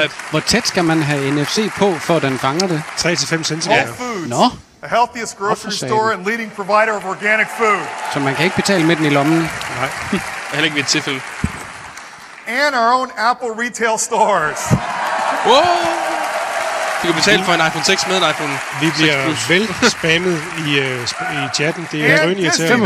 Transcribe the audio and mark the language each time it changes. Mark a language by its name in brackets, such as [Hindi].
[Danish] Hvor tæt skal man have NFC på, før den fanger det? 3-5 cm. [English] Whole Foods, no? The healthiest grocery store and leading provider of organic food. [Danish] Så man kan ikke betale med den i lommen. Nej, heller ikke ved tiffel. [English] And our own Apple retail stores. [Danish] Whoa! Du kan betale for en iPhone 6 med en iPhone 6 Plus. Vi bliver vel spammet i, i chatten. Det er rønt irriterende.